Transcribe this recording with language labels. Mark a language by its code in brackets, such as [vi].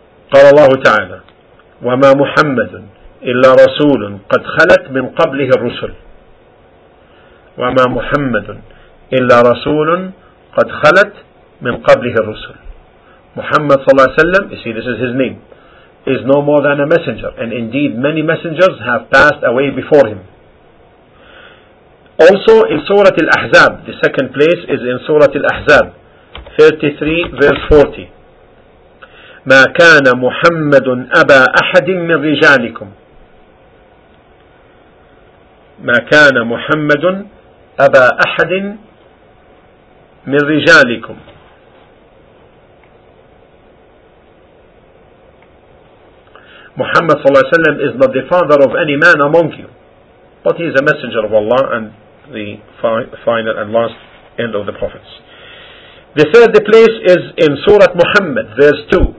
[ar] قال الله تعالى وما محمد إلا رسول قد خلت من قبله الرسل وما محمد إلا رسول قد خلت من قبله الرسل. [en] Muhammad صلى الله عليه وسلم, you see, this is his name, is no more than a messenger, and indeed many messengers have passed away before him. Also in Surah Al-Ahzab, the second place is in Surah Al-Ahzab, 33 verse 40. [ar] مَا كَانَ مُحَمَّدٌ أَبَى أَحَدٍ مِّن رِجَالِكُمْ. مَا كَانَ مُحَمَّدٌ أَبَى أَحَدٍ مِّن رِجَالِكُمْ. [en] Muhammad صلى الله عليه وسلم is not the father of any man among you, but he is a messenger of Allah and the final and last end of the prophets. The third place is in Surah Muhammad, verse 2.